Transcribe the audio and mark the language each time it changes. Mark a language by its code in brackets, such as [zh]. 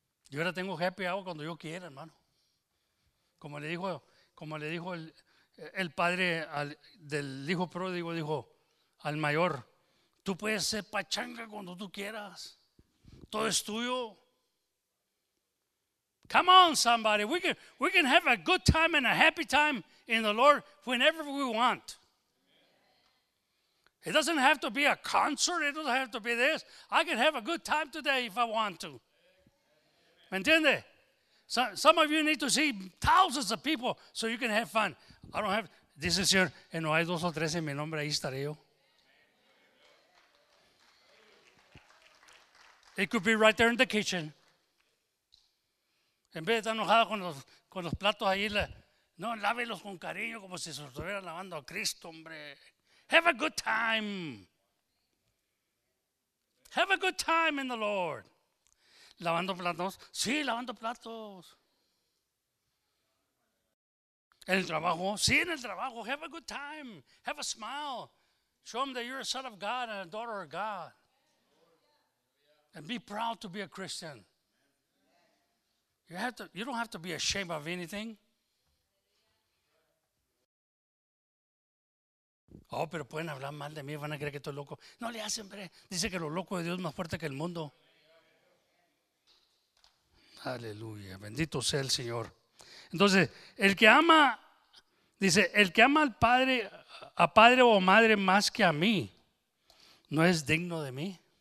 [es] Yo ahora tengo [en] happy hour [es] cuando yo quiera, hermano. Como le dijo el padre del hijo pródigo, dijo al mayor, tú puedes ser pachanga cuando tú quieras. Todo es tuyo. [en] Come on, somebody. We can have a good time and a happy time in the Lord whenever we want. It doesn't have to be a concert. It doesn't have to be this. I can have a good time today if I want to. [es] ¿Me entiende? [en] Some of you need to see thousands of people so you can have fun. I don't have, [es] dice el Señor, en Ohio 2 o 3 en mi nombre, ahí estaré yo. [en] It could be right there in the kitchen. [es] En vez de estar enojado con los platos ahí, no, lávelos con cariño como si se estuviera lavando a Cristo, hombre. [en] Have a good time. Have a good time in the Lord. [es] ¿Lavando platos? Sí, lavando platos. ¿En el trabajo? Sí, en el trabajo. [en] Have a good time. Have a smile. Show them that you're a son of God and a daughter of God. And be proud to be a Christian. You don't have to be ashamed of anything. [es] Oh, pero pueden hablar mal de mí, van a creer que estoy loco. No le hacen, hombre. Dice que lo loco de Dios es más fuerte que el mundo. Aleluya, bendito sea el Señor. Entonces, el que ama, dice, el que ama al padre, a padre o madre más que a mí, no es digno de mí.